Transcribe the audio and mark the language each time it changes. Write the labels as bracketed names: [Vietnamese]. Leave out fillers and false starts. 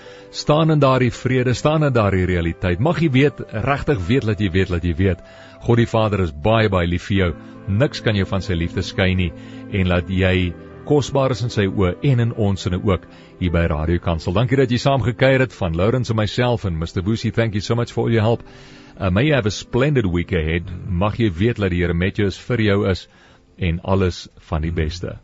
[Afrikaans] Staan in daardie vrede, staan in daardie realiteit, mag jy weet, regtig weet, dat jy weet, God die Vader is baie, baie lief vir jou, niks kan jou van sy liefde skei nie, en laat jy kosbaar is in sy oë en in ons in ook hier by Radio Kansel. Dankie dat jy saam gekuier het van Lawrence en myself en Mr. [English] Woosie, thank you so much for all your help. May you have a splendid week ahead. [Afrikaans] Mag jy weet dat die Here met jou is, vir jou is en alles van die beste.